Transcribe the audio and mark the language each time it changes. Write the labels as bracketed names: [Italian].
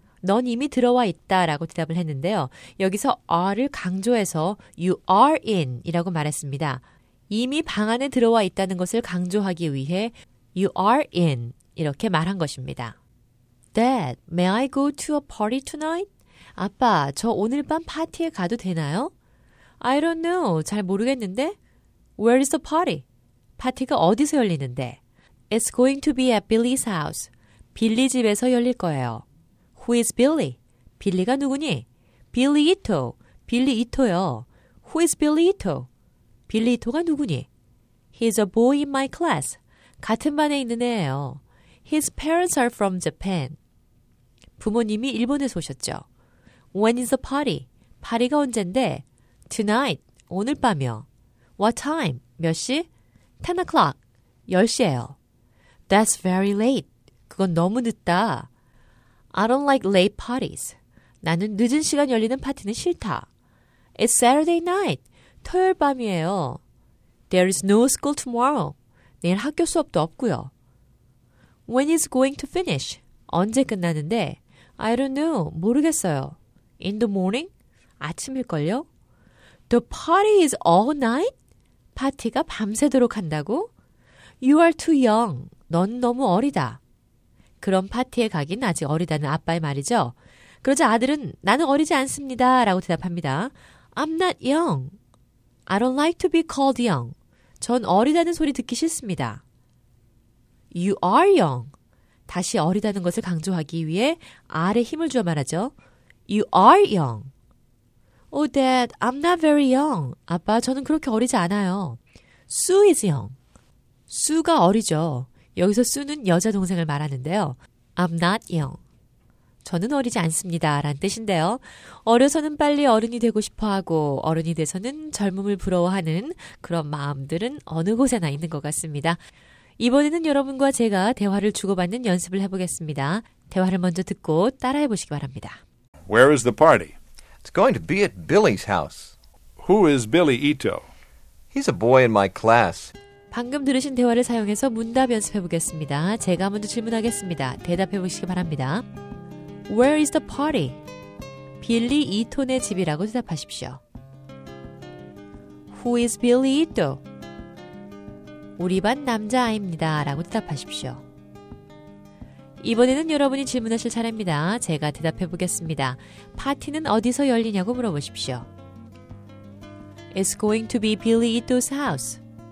[Korean] 넌 이미 들어와 있다 라고 대답을 했는데요. 여기서 are를 강조해서 [English] You are in [Korean] 이라고 말했습니다. 이미 방 안에 들어와 있다는 것을 강조하기 위해 [English] You are in [Korean] 이렇게 말한 것입니다. [English] Dad, may I go to a party tonight? [Korean] 아빠, 저 오늘 밤 파티에 가도 되나요? [English] I don't know. [Korean] 잘 모르겠는데. [English] Where is the party? [Korean] 파티가 어디서 열리는데? [English] It's going to be at Billy's house. [Korean] 빌리 집에서 열릴 거예요. [English] Who is Billy? [Korean] 빌리가 누구니? [English] Billy Ito. [Korean] 빌리 이토요. [English] Who is Billy Ito? [Korean] 빌리 이토가 누구니? [English] He's a boy in my class. [Korean] 같은 반에 있는 애예요. [English] His parents are from Japan. [Korean] 부모님이 일본에서 오셨죠. [English] When is the party? [Korean] 파티가 언젠데? [English] Tonight, [Korean] 오늘 밤이요. [English] What time? [Korean] 몇 시? [English] 10 o'clock, [Korean] 10시예요. [English] That's very late. [Korean] 그건 너무 늦다. [English] I don't like late parties. [Korean] 나는 늦은 시간 열리는 파티는 싫다. [English] It's Saturday night. [Korean] 토요일 밤이에요. [English] There is no school tomorrow. [Korean] 내일 학교 수업도 없고요. [English] When is going to finish? [Korean] 언제 끝나는데? [English] I don't know. [Korean] 모르겠어요. [English] In the morning? [Korean] 아침일걸요? [English] The party is all night? [Korean] 파티가 밤새도록 한다고? [English] You are too young. [Korean] 넌 너무 어리다. 그럼 파티에 가긴 아직 어리다는 아빠의 말이죠. 그러자 아들은 나는 어리지 않습니다. 라고 대답합니다. [English] I'm not young. I don't like to be called young. [Korean] 전 어리다는 소리 듣기 싫습니다. [English] You are young. [Korean] 다시 어리다는 것을 강조하기 위해 R에 힘을 주어 말하죠. [English] You are young. Oh, Dad, I'm not very young. [Korean] 아빠, 저는 그렇게 어리지 않아요. [English] Sue is young. [Korean] Sue가 어리죠. 여기서 Sue는 여자 동생을 말하는데요. [English] I'm not young. [Korean] 저는 어리지 않습니다. 라는 뜻인데요. 어려서는 빨리 어른이 되고 싶어하고 어른이 돼서는 젊음을 부러워하는 그런 마음들은 어느 곳에나 있는 것 같습니다. 이번에는 여러분과 제가 대화를 주고받는 연습을 해보겠습니다. 대화를 먼저 듣고 따라해보시기 바랍니다. [English] Where is the party? It's going to be at Billy's house. Who is Billy Ito? He's a boy in my class. [Korean] 방금 들으신 대화를 사용해서 문답 연습해 보겠습니다. 제가 먼저 질문하겠습니다. 대답해 보시기 바랍니다. [English] Where is the party? [Korean] 빌리 이토네 집이라고 대답하십시오. [English] Who is Billy Ito? [Korean] 우리 반 남자아이입니다. 라고 대답하십시오. 이번에는 여러분이 질문하실 차례입니다. 제가 대답해 보겠습니다. 파티는 어디서 열리냐고 물어보십시오. [English] It's going to be Billy Ito's house.